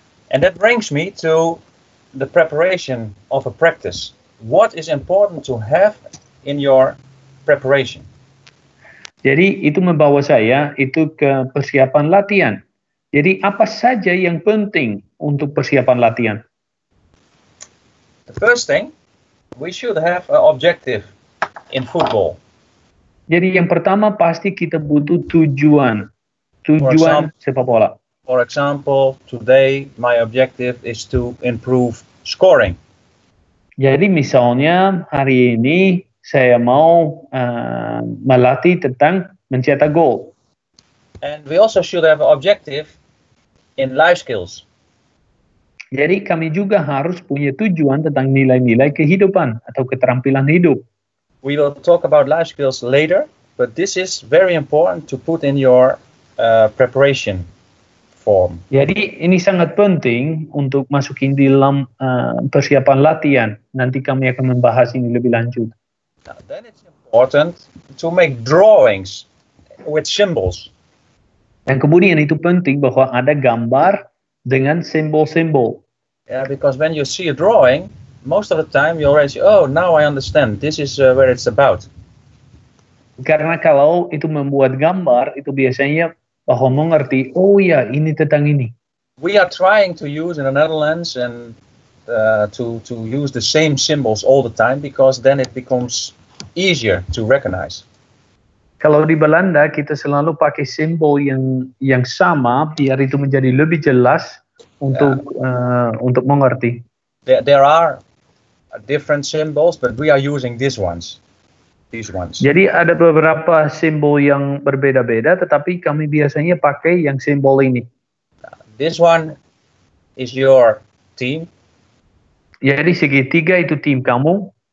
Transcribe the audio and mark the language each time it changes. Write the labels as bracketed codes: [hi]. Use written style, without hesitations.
[en] And that brings me to the preparation of a practice. What is important to have in your preparation? [id] Jadi itu membawa saya itu ke persiapan latihan. Jadi apa saja yang penting untuk persiapan latihan? [en] The first thing, we should have an objective in football. [id] Jadi yang pertama pasti kita butuh tujuan. Tujuan sepak bola. [en] For example, today my objective is to improve scoring. [id] Jadi misalnya hari ini saya mau melatih tentang mencetak gol. [en] And we also should have an objective in life skills. [id] Jadi kami juga harus punya tujuan tentang nilai-nilai kehidupan atau keterampilan hidup. [en] We will talk about life skills later, but this is very important to put in your preparation form. [id] Jadi ini sangat penting untuk masukin di dalam persiapan latihan. Nanti kami akan membahas ini lebih lanjut. [en] Now, then it's important to make drawings with symbols. [id] Dan kemudian itu penting bahwa ada gambar dengan simbol-simbol. [en] Yeah, because when you see a drawing, most of the time you already say, oh, now I understand, this is where it's about. [id] Karena kalau itu membuat gambar, itu biasanya bahwa mengerti, oh ya, ini tentang ini. [en] We are trying to use in the Netherlands and to use the same symbols all the time because then it becomes easier to recognize. [id] Kalau di Belanda kita selalu pakai simbol yang sama biar itu menjadi lebih jelas untuk untuk mengerti. [en] There are different symbols but we are using these ones. [id] Jadi ada beberapa simbol yang berbeda-beda tetapi kami biasanya pakai yang simbol ini. [en] This one is your team. [id] Jadi segitiga itu tim kamu.